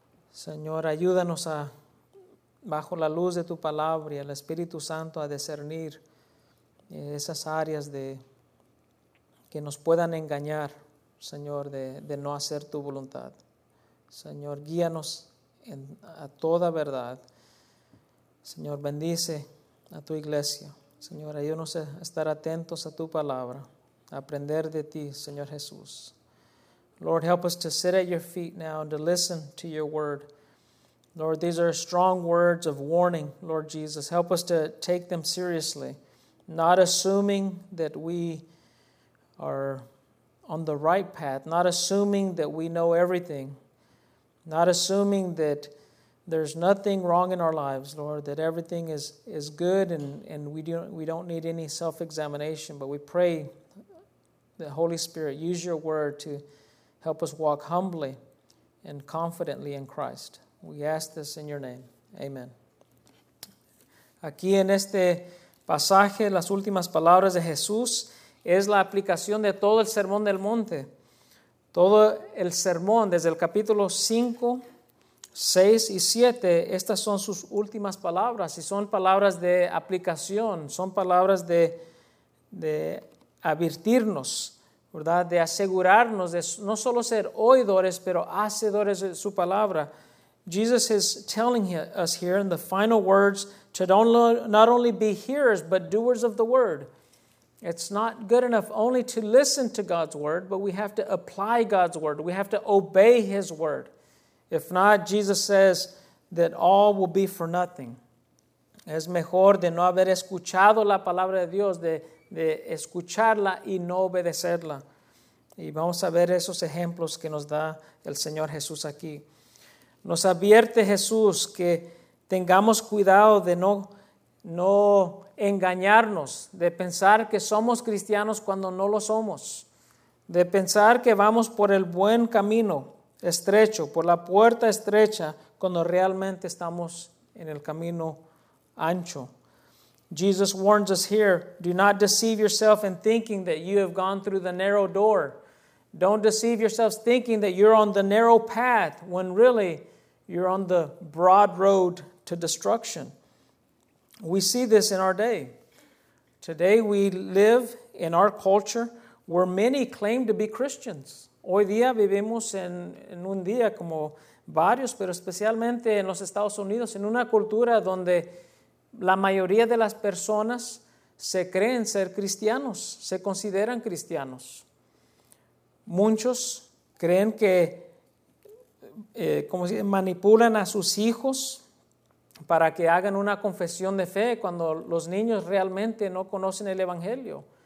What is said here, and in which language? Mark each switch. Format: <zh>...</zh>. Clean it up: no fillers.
<es>Señor, ayúdanos a, bajo la luz de tu palabra y el Espíritu Santo, a discernir esas áreas de que nos puedan engañar, Señor, de no hacer tu voluntad. Señor, guíanos a toda verdad. Señor, bendice a tu iglesia. Señor, ayúdanos a estar atentos a tu palabra, a aprender de ti, Señor Jesús.</es> <en>Lord, help us to sit at your feet now and to listen to your word. Lord, these are strong words of warning, Lord Jesus. Help us to take them seriously, not assuming that we are on the right path, not assuming that we know everything, not assuming that there's nothing wrong in our lives, Lord, that everything is good and we don't need any self-examination. But we pray that Holy Spirit, use your word to help us walk humbly and confidently in Christ. We ask this in your name. Amen.</en> <es>Aquí en este pasaje, las últimas palabras de Jesús es la aplicación de todo el Sermón del Monte. Todo el sermón, desde el capítulo 5, 6 y 7, estas son sus últimas palabras y son palabras de aplicación, son palabras de advertirnos, ¿verdad? De asegurarnos de no solo ser oidores, pero hacedores de su palabra.</es> <en>Jesus is telling us here in the final words to not only be hearers, but doers of the word. It's not good enough only to listen to God's word, but we have to apply God's word. We have to obey his word. If not, Jesus says that all will be for nothing.</en> <es>Es mejor de no haber escuchado la palabra de Dios, de escucharla y no obedecerla. Y vamos a ver esos ejemplos que nos da el Señor Jesús aquí. Nos advierte Jesús que tengamos cuidado de no engañarnos, de pensar que somos cristianos cuando no lo somos, de pensar que vamos por el buen camino estrecho, por la puerta estrecha, cuando realmente estamos en el camino ancho.</es> <en>Jesus warns us here, do not deceive yourself in thinking that you have gone through the narrow door. Don't deceive yourselves thinking that you're on the narrow path when really you're on the broad road to destruction. We see this in our day. Today we live in our culture where many claim to be Christians.</en> <es>Hoy día vivimos en un día como varios, pero especialmente en los Estados Unidos, en una cultura donde la mayoría de las personas se creen ser cristianos, se consideran cristianos. Muchos creen que como si manipulan a sus hijos para que hagan una confesión de fe cuando los niños realmente no conocen el Evangelio.</es>